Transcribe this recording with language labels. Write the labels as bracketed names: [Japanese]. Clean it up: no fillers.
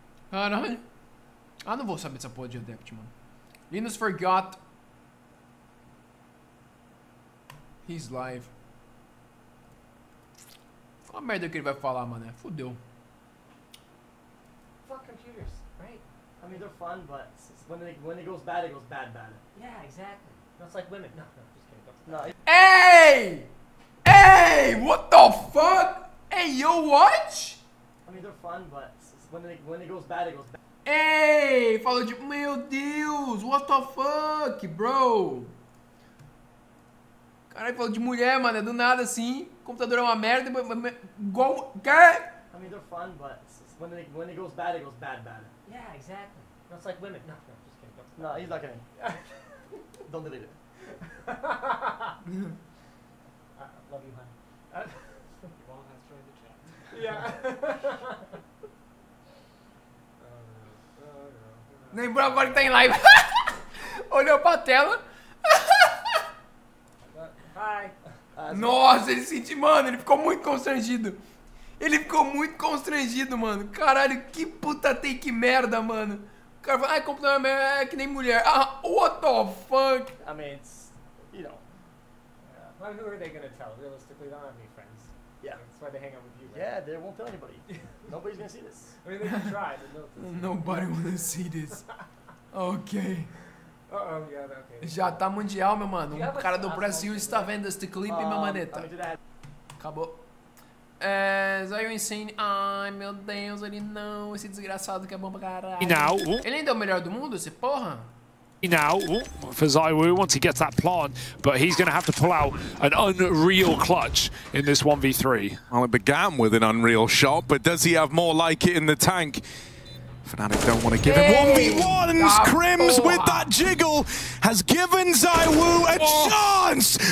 [Portuguese] Caralho. Ah, não vou saber dessa porra de Adept, mano. [English] Linus forgot. He's live. [Portuguese] Qual a merda que ele vai falar, mané? Fudeu. [English] Fuck computers, right? I mean, they're fun, but when it goes bad, it goes bad. Yeah, exactly. That's like women. No, just kidding. No. Hey! Hey! What the fuck? Hey, yo, what? I mean, they're fun, but when it goes bad, it goes bad. [Portuguese] Ei, falou de... Meu Deus, [English] what the fuck, bro? [Portuguese] Caralho, falou de mulher, mano, é do nada assim. Computador é uma merda, mas... Quê? [English] I mean, they're fun, but when it goes bad, it goes bad. Yeah, exactly. No, it's like women. No, just kidding. No, he's not kidding. Don't delete it. love you, honey. You won't have to join the chat. Yeah. [Portuguese] Lembrou agora que tá em live. Olhou pra tela. [English] Hi. [Portuguese] Nossa, ele sentiu, mano. Ele ficou muito constrangido. Ele ficou muito constrangido, mano. Caralho, que puta take merda, mano. O cara fala, ai, computador é que nem mulher. [English] Ah, what the fuck? I mean, it's, you know. Well, who are they gonna tell? Realistically, they don't have any friends. Yeah. That's why they hang out with you, right? Yeah, they won't tell anybody. Nobody's gonna see this. Nobody wanna see this. Ok. Yeah, okay. [Portuguese] Já tá mundial, meu mano. O cara do Brasil está vendo este clipe, meu maneta. Acabou. [English] Are you insane? [Portuguese] Ai, meu Deus, ele não. Esse desgraçado que é bom pra caralho. [English] Now, [Portuguese] ele ainda é o melhor do mundo, esse porra? [English] now, for Zaiwu, once he gets that plant, but he's going to have to pull out an unreal clutch in this 1v3. Well, it began with an unreal shot, but does he have more like it in the tank? Fnatic don't want to give him 1v1s. Crims with that jiggle has given Zaiwu a chance.